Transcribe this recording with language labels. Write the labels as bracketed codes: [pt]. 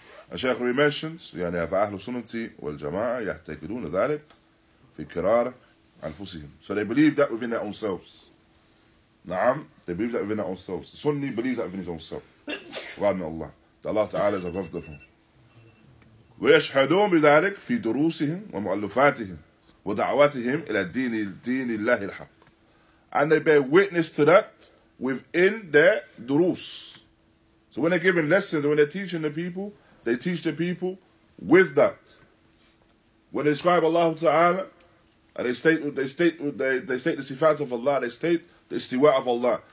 [en] And Shaykh Ali mentions, [ar] يعني أفا أهل السنة والجماعة يعتقدون ذلك في قرار أنفسهم. [en] So they believe that within their own selves. نعم, they believe that within their own selves. Sunni believes that within his own self. [ar] غادنا الله. [en] That Allah Ta'ala is above them. [ar] ويشهدون بذلك في دروسهم ومؤلفاتهم ودعواتهم إلى دين الله الحق. [en] And they bear witness to that within their دروس. So when they're giving lessons, when they're teaching the people, they teach the people with that. When they describe Allah Ta'ala, and they state the sifat of Allah, they state the istiwa of Allah.